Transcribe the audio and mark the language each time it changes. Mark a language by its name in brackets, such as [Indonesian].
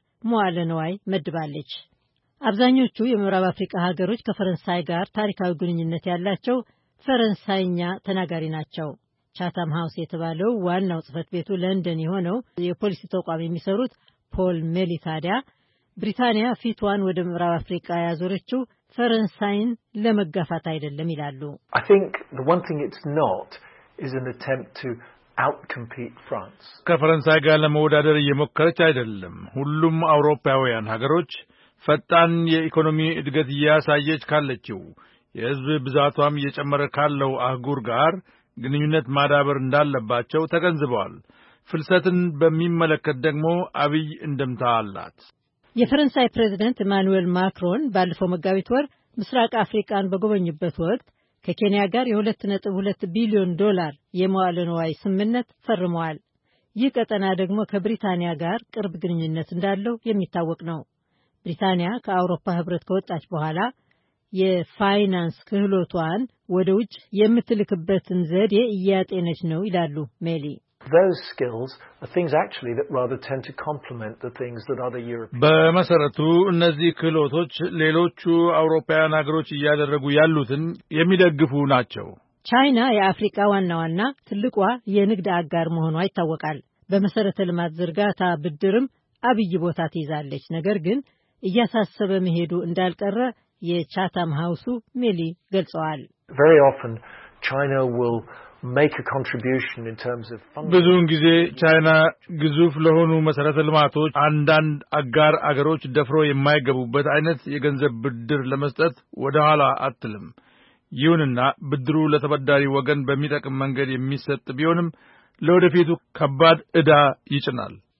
[Amharic] መዋለ ንዋይ መድባለች። አብዛኞቹ የምዕራብ አፍሪካ ሀገሮች ከፈረንሳይ ጋር ታሪካዊ ግንኙነት ያላቸው ፈረንሳይኛ ተናጋሪ ናቸው። ቻታም ሃውስ የተባለው ዋናው ጽህፈት ቤቱ ለንደን የሆነው የፖሊሲ ተቋም የሚሰሩት ፖል ሜሊ ታዲያ ብሪታንያ ፊቷን ወደ ምዕራብ አፍሪካ ያዞረችው ፈረንሳይን ለመጋፋት አይደለም ይላሉ። [English] I think the one thing it's not is an attempt to outcompete France. [Amharic] ከፈረንሳይ ጋር ለመወዳደር እየሞከረች አይደለም። ሁሉም አውሮፓውያን ሀገሮች ፈጣን የኢኮኖሚ እድገት እያሳየች ካለችው የህዝብ ብዛቷም እየጨመረ ካለው አህጉር ጋር ግንኙነት ማዳበር እንዳለባቸው ተገንዝበዋል። ፍልሰትን በሚመለከት ደግሞ አብይ እንደምታ አላት። የፈረንሳይ ፕሬዝዳንት ኢማኑኤል ማክሮን ባለፈው መጋቢት ወር ምስራቅ አፍሪካን በጎበኙበት ወቅት ከኬንያ ጋር $2.2 billion የመዋለ ንዋይ ስምምነት ፈርመዋል። ይህ ቀጠና ደግሞ ከብሪታንያ ጋር ቅርብ ግንኙነት እንዳለው የሚታወቅ ነው። ብሪታንያ ከአውሮፓ ህብረት ከወጣች በኋላ የፋይናንስ ክህሎቷን ወደ ውጭ የምትልክበትን ዘዴ እያጤነች ነው ይላሉ ሜሊ። [English] Those skills are things actually that rather tend to complement the things that other Europeans [Amharic] በመሰረቱ እነዚህ ክህሎቶች ሌሎቹ አውሮፓውያን ሀገሮች እያደረጉ ያሉትን የሚደግፉ ናቸው። ቻይና የአፍሪካ ዋናዋና ትልቋ የንግድ አጋር መሆኗ ይታወቃል። በመሰረተ ልማት ዝርጋታ ብድርም አብይ ቦታ ትይዛለች። ነገር ግን እያሳሰበ መሄዱ እንዳልቀረ የቻታም ሃውሱ ሜሊ ገልጸዋል። [English] Very often China will make a contribution in terms of funding. [Amharic] ብዙውን ጊዜ ቻይና ግዙፍ ለሆኑ መሰረተ ልማቶች አንዳንድ አጋር አገሮች ደፍሮ የማይገቡበት አይነት የገንዘብ ብድር ለመስጠት ወደ ኋላ አትልም። ይሁንና ብድሩ ለተበዳሪ ወገን በሚጠቅም መንገድ የሚሰጥ ቢሆንም ለወደፊቱ ከባድ እዳ ይጭናል።